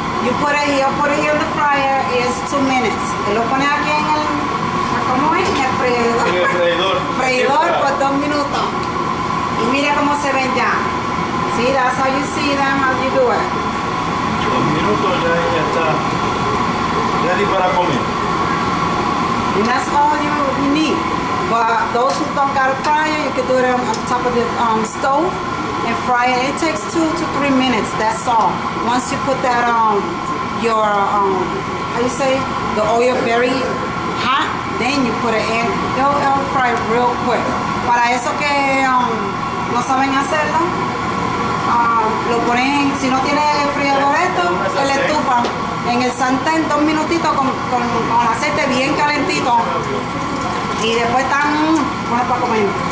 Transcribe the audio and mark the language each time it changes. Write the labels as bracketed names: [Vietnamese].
[English] You put it here in the fryer, it's 2 minutes. [Spanish] Él lo pone aquí en el. ¿Cómo es? En el freidor. En el freidor. Freidor por 2 minutos. Y mira cómo se ven ya. [English] Sí, that's how you see them, how you do it. [Spanish] 2 minutos ya está. [English] Ready [Spanish] para comer. [English] And that's all you need. But those who don't got a fryer, you can do it on top of the stove. And fry it. It takes 2 to 3 minutes. That's all. Once you put that on your how you say the oil very hot, then you put it in. It'll fry real quick. [Spanish] Para eso que no saben hacerlo, lo ponen. Si no tiene el freidor esto, el estufa en el sartén 2 minutitos con aceite bien calentito y después están bueno para comer.